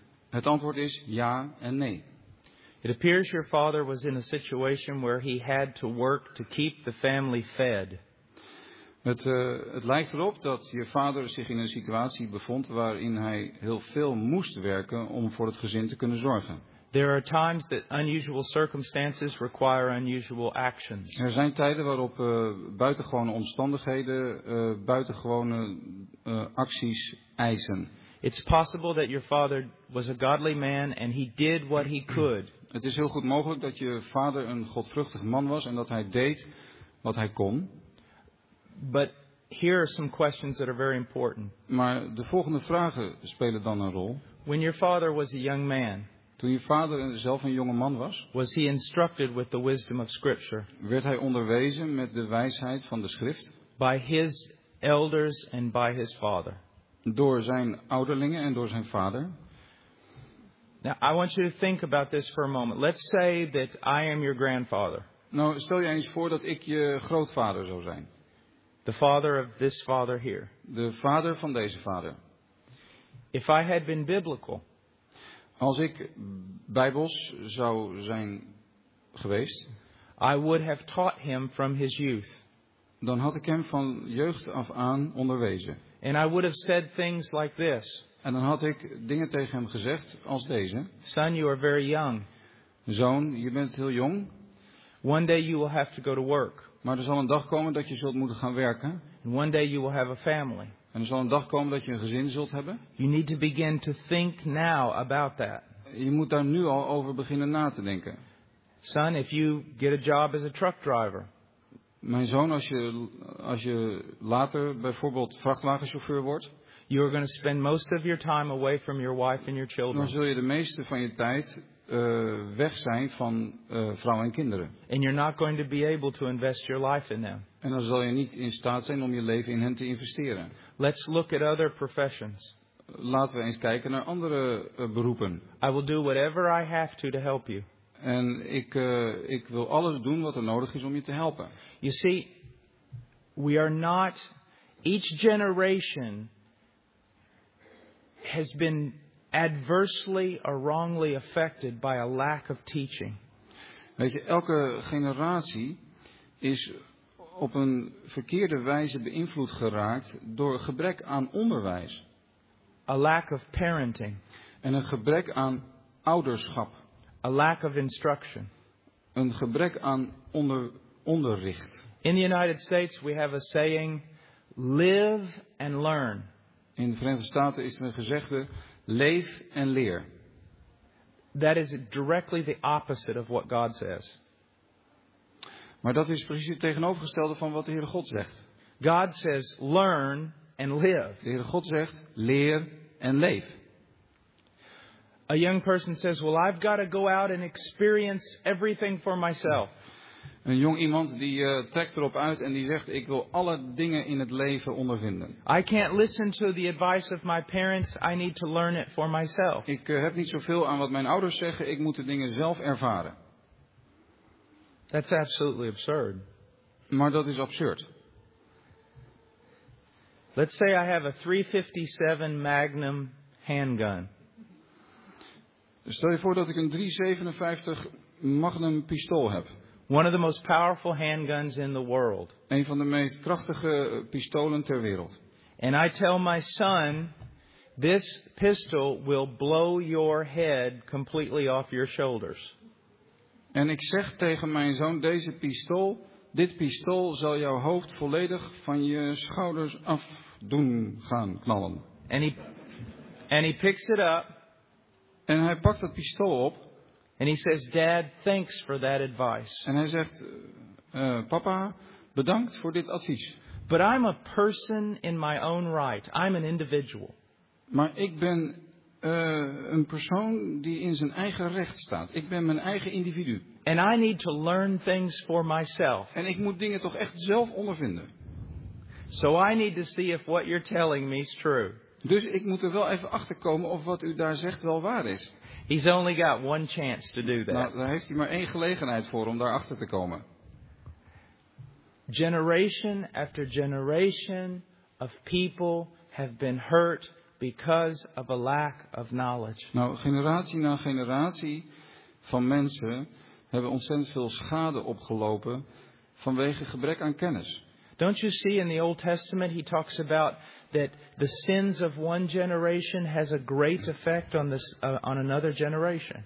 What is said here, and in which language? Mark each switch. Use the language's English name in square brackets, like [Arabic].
[Dutch] Het antwoord is ja en nee. [English] It appears your father was in a situation where he had to work to keep the family fed. [Dutch] Het lijkt erop dat je vader zich in een situatie bevond waarin hij heel veel moest werken om voor het gezin te kunnen zorgen. [English] There are times that unusual circumstances require unusual actions. [Dutch] Er zijn tijden waarop buitengewone omstandigheden buitengewone acties eisen. [English] It's possible that your father was a godly man and he did what he could. [Dutch] Het is heel goed mogelijk dat je vader een godvruchtig man was en dat hij deed wat hij kon. [English] But here are some questions that are very important. [Dutch] Maar de volgende vragen spelen dan een rol. [English] When your father was a young man, [Dutch] toen je vader zelf een jonge man was, [English] was he instructed with the wisdom of Scripture? [Dutch] Werd hij onderwezen met de wijsheid van de Schrift? [English] By his elders and by his father. [Dutch] Door zijn ouderlingen en door zijn vader. [English] Now I want you to think about this for a moment. Let's say that I am your grandfather. [Dutch] Nou, stel je eens voor dat ik je grootvader zou zijn. [English] The father of this father here. [Dutch] De vader van deze vader. [English] If I had been biblical. [Dutch] Als ik bijbels zou zijn geweest. [English] I would have taught him from his youth. [Dutch] Dan had ik hem van jeugd af aan onderwezen. [English] And I would have said things like this. [Dutch] En dan had ik dingen tegen hem gezegd als deze. [English] Son, you are very young. [Dutch] Zoon, je bent heel jong. [English] One day you will have to go to work. [Dutch] Maar er zal een dag komen dat je zult moeten gaan werken. [English] And one day you will have a family. [Dutch] En er zal een dag komen dat je een gezin zult hebben. [English] You need to begin to think now about that. [Dutch] Je moet daar nu al over beginnen na te denken. [English] Son, if you get a job as a truck driver. [Dutch] Mijn zoon, als je later bijvoorbeeld vrachtwagenchauffeur wordt. [English] You are going to spend most of your time away from your wife and your children. [Dutch] Dan zul je de meeste van je tijd weg zijn van vrouw en kinderen. [English] And you're not going to be able to invest your life in them. [Dutch] En dan zal je niet in staat zijn om je leven in hen te investeren. [English] Let's look at other professions. [Dutch] Laten we eens kijken naar andere beroepen. [English] I will do whatever I have to help you. [Dutch] En ik wil alles doen wat er nodig is om je te helpen. [English] You see, we are not each generation has been adversely or wrongly affected by a lack of teaching. [Dutch] Weet je, elke generatie is op een verkeerde wijze beïnvloed geraakt door gebrek aan onderwijs. [English] A lack of parenting. [Dutch] En een gebrek aan ouderschap. [English] A lack of instruction. [Dutch] Een gebrek aan onderricht. [English] In the United States we have a saying, live and learn. [Dutch] In de Verenigde Staten is er een gezegde, leef en leer. [English] That is directly the opposite of what God says. [Dutch] Maar dat is precies het tegenovergestelde van wat de Heere God zegt. [English] God says, learn and live. [Dutch] De Heere God zegt, leer en leef. [English] A young person says, well, I've got to go out and experience everything for myself. [Dutch] Een jong iemand die trekt erop uit en die zegt, ik wil alle dingen in het leven ondervinden. [English] I can't listen to the advice of my parents, I need to learn it for myself. [Dutch] Ik heb niet zoveel aan wat mijn ouders zeggen, ik moet de dingen zelf ervaren. [English] That's absolutely absurd. [Dutch] Maar dat is absurd. [English] Let's say I have a 357 Magnum handgun. [Dutch] Stel je voor dat ik een 357 Magnum pistool heb. [English] One of the most powerful handguns in the world. [Dutch] Een van de meest krachtige pistolen ter wereld. [English] And I tell my son, this pistol will blow your head completely off your shoulders. [Dutch] En ik zeg tegen mijn zoon, dit pistool zal jouw hoofd volledig van je schouders af doen gaan knallen. [English] And he picks it up. [Dutch] En hij pakt dat pistool op. [English] And he says, "Dad, thanks for that advice." [Dutch] En hij zegt, papa, bedankt voor dit advies. [English] But I'm a person in my own right. I'm an individual. [Dutch] Maar ik ben een persoon die in zijn eigen recht staat. Ik ben mijn eigen individu. [English] And I need to learn things for myself. [Dutch] En ik moet dingen toch echt zelf ondervinden. [English] So I need to see if what you're telling me is true. [Dutch] Dus ik moet er wel even achter komen of wat u daar zegt wel waar is. [English] He's only got one chance to do that. [Dutch] Nou, daar heeft hij maar één gelegenheid voor om daar achter te komen. [English] Generation after generation of people have been hurt because of a lack of knowledge. [Dutch] Nou, generatie na generatie van mensen hebben ontzettend veel schade opgelopen vanwege gebrek aan kennis. [English] Don't you see in the Old Testament he talks about that the sins of one generation has a great effect on this on another generation.